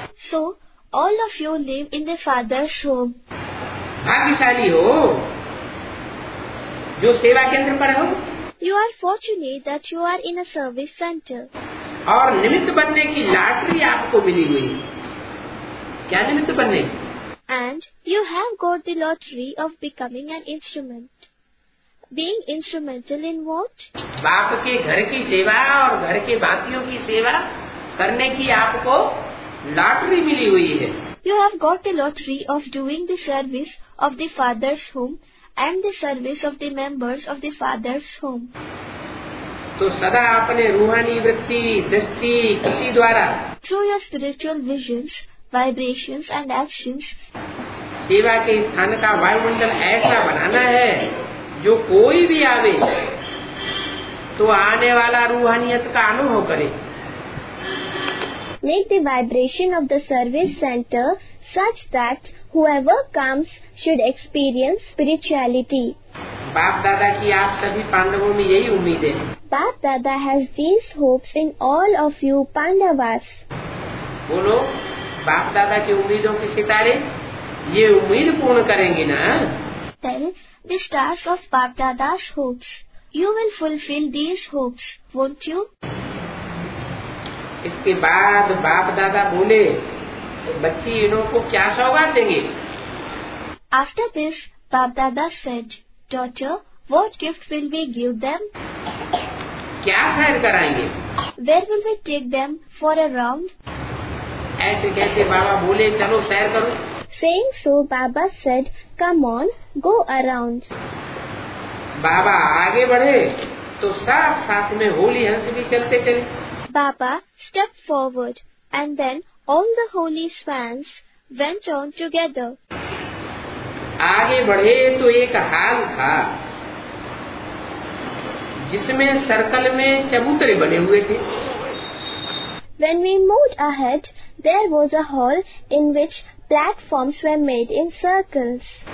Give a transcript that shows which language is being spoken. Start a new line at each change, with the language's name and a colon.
English: So, all of you live in the father's home.
Hindi: भाग्यशाली हो जो सेवा केंद्र पर हो।
English: You are fortunate that you are in a service center.
Hindi: और निमित्त बनने की लाटरी आपको मिली हुई। क्या निमित्त बनने?
English: And you have got the lottery of becoming an instrument. Being instrumental in what?
Hindi: बाप के घर की सेवा और घर के बाकियों की सेवा करने की आपको लॉटरी मिली हुई है।
English: You have got the lottery of doing the service of the father's home and the service of the members of the father's home.
Hindi: तो सदा आपने रूहानी वृत्ति दृष्टि कृति द्वारा
English: through your spiritual visions, vibrations and actions
Hindi: सेवा के स्थान का वायुमंडल ऐसा बनाना है जो कोई भी आवे तो आने वाला रूहानियत का अनुभव करे।
English: Make the vibration of the service center such that whoever comes should experience spirituality.
Hindi: बाप दादा की आप सभी पांडवों में यही उम्मीद है।
English: Baap Dada has these hopes in all of you Pandavas.
Hindi: बोलो बाप दादा की उम्मीदों के सितारे ये उम्मीद पूर्ण करेंगे ना?
English: Tell the stars of Baap Dada's hopes. You will fulfill these hopes, won't you?
Hindi: इसके बाद बाप दादा बोले बच्ची इनको क्या सौगात देंगे?
English: After this, Baap Dada said, daughter, what gift will we give them?
Hindi: क्या खैर कराएंगे?
English: Where will we take them for a round?
Hindi: ऐसे कहते बाबा बोले चलो सैर करो।
English: Saying so, Baba said, come on, go around.
Hindi: बाबा आगे बढ़े तो साथ साथ में होली हंस भी चलते चले।
English: Baba stepped forward and then all the holy swans went on together.
Hindi: आगे बढ़े तो एक हाल था जिसमें सर्कल में चबूतरे बने हुए थे। When we moved ahead, there was a hall in which platforms were made in circles.